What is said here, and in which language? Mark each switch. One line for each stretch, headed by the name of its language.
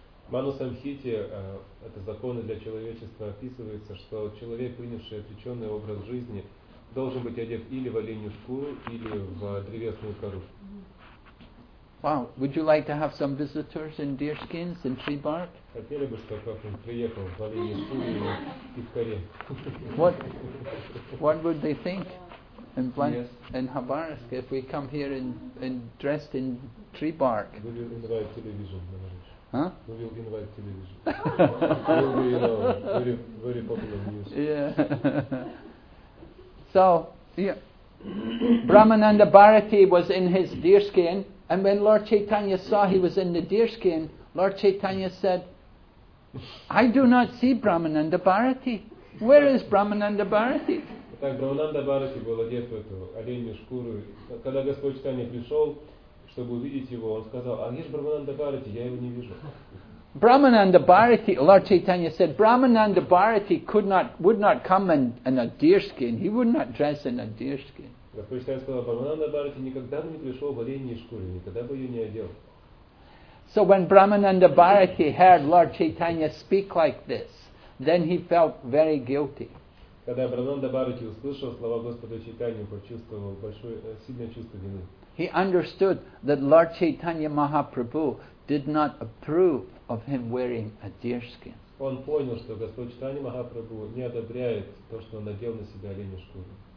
Russian: Manu Samhita, это законы для человечества, описывается, что человек, принявший отреченный образ жизни, должен быть одет или в оленью шкуру, или в древесную кору.
English: Wow, would you like to have some visitors in deer skins and tree bark?
Russian: Хотели бы, чтобы кто-нибудь приехал в оленьей шкуре или пивкаре.
English: What would they think in in Хабаровск if we come here in dressed in tree bark? Will you invite television? Huh? Will you invite television? Will be, you know, very, very popular news. Yeah. So, yeah. Brahmananda Bharati was in his deer skin, and when Lord Chaitanya saw he was in the deer skin, Lord Chaitanya said, I do not see Brahmananda Bharati. Where is Brahmananda Bharati?
Russian: Так, Брамананда Бхарати был одет в эту оленью шкуру. Когда Господь Чайтанья пришел, чтобы увидеть его, он сказал, а где же Брамананда Бхарати? Я его не вижу.
English: Brahmananda Bharati, Lord Chaitanya said, Brahmananda Bharati would not come in a deer skin. He would not dress in a deer skin.
Russian: Господь Чайтанья сказал, Брамананда Бхарати никогда бы не пришел в оленьей шкуре, никогда бы ее не одел.
English: So when Brahmananda Bharati heard Lord Chaitanya speak like this, then he felt very guilty.
Russian: Когда Брамананда Бхарати услышал слова Господа Чайтаньи, почувствовал большое сильное чувство вины.
English: He understood that Lord Chaitanya Mahaprabhu did not approve of him wearing a deer skin.
Russian: Он понял, что Господь Чайтанья Махапрабху не одобряет то, что он надел на себя оленью шкуру.